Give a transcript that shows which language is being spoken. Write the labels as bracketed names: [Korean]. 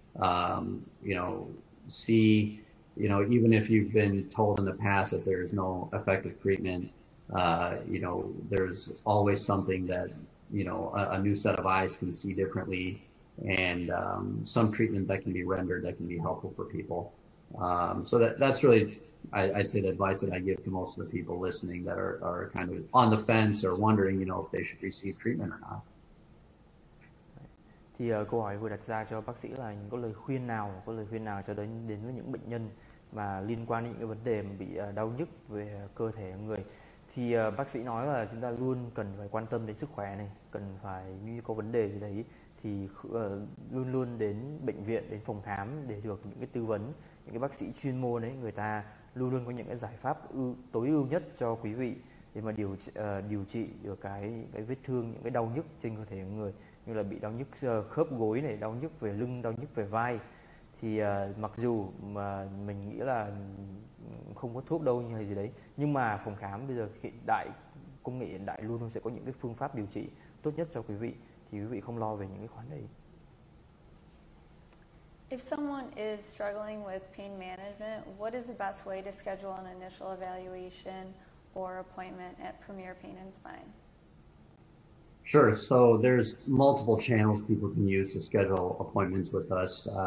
[English] You know, see, you know, even if you've been told in the past that there is no effective treatment, you know, there's always something that, you know, a new set of eyes can see differently, and some treatment that can be rendered that can be helpful for people. So that's really, I'd say, the advice that I give to most of the people listening that are kind of on the fence or wondering, you know, if they should receive treatment or not. [Vietnamese] Thì câu hỏi vừa đặt ra cho bác sĩ là những có lời khuyên nào cho đến với những bệnh nhân mà liên quan đến những cái vấn đề mà bị đau nhức về cơ thể người. Thì bác sĩ nói là chúng ta luôn cần phải quan tâm đến sức khỏe này, cần phải như có vấn đề gì đấy thì luôn luôn đến bệnh viện, đến phòng khám để được những cái tư vấn, những cái bác sĩ chuyên môn ấy, người ta luôn luôn có những cái giải pháp tối ưu nhất cho quý vị để mà điều trị được cái vết thương, những cái đau nhức trên cơ thể người, như là bị đau nhức khớp gối này, đau nhức về lưng, đau nhức về vai. Thì mặc dù mà mình nghĩ là không có thuốc đâu hay gì đấy, nhưng mà phòng khám bây giờ hiện đại, công nghệ hiện đại luôn luôn sẽ có những cái phương pháp điều trị tốt nhất cho quý vị, thì quý vị không lo về những cái khoản đấy. [English] If someone is struggling with pain management, what is the best way to schedule an initial evaluation or appointment at Premier Pain and Spine? Sure. So there's multiple channels people can use to schedule appointments with us.